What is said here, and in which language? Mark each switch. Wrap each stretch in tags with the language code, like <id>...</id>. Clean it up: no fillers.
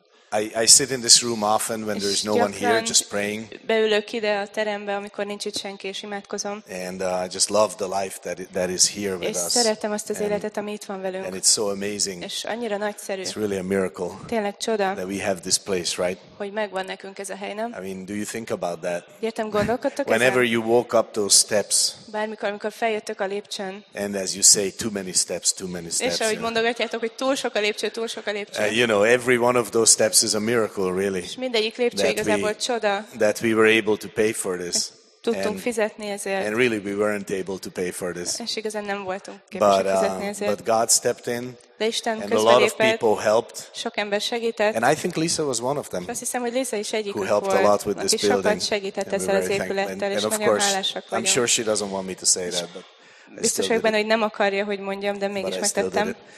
<en>And I sit in this room often when there is no one here, just praying.</en> <hu>Beülök ide a terembe, amikor nincs itt senki, és imádkozom.</hu> <en>And I just love the life that is here with</en> <hu>és</hu> <en>us.</en> <hu>És szeretem azt az életet, ami itt van velünk.</hu> <en>And it's so amazing.</en> <hu>És annyira nagyszerű.</hu> <en>It's really a miracle.</en> <hu>Tényleg csoda.</hu> <en>That we have this place, right?</en> <hu>Hogy megvan nekünk ez a hely, nem?</hu> <en>I mean, do you think about that?</en> <hu>Értem, gondolkodtok ezen?</hu> <en>Whenever you walk up those steps.</en> <hu>Bármikor, amikor feljöttök a lépcsőn.</hu> <en>And as you say, too many steps, too many steps.</en> <hu>És ahogy mondogatjátok, hogy túl sok a lépcső, túl sok a lépcső.</hu> <en>You know, every one of those steps is a miracle, really.</en> <hu>És mindegyik lépcső igazából csoda.</hu> <en>That we were able to pay for this.</en> <hu>Tudtunk fizetni ezért.</hu> <en>And really, we weren't able to pay for this.</en> <hu>És igazán nem voltunk képesek fizetni ezért.</hu> <en>But God stepped in.</en> <hu>De Isten</hu> <en>and a lot of people helped.</en> <hu>Sok ember segített.</hu> <en>And I think Lisa was one of them.</en> <hu>Azt hiszem, hogy Lisa is egyik,</hu> <en>who helped a lot with this building.</en> <hu>Sokat segített ezzel az épülettel,</hu> <en>and of course, I'm sure she doesn't want me to say that, but</en> <hu>biztos vagyok benne, hogy nem akarja, hogy mondjam, de mégis megtettem.</hu>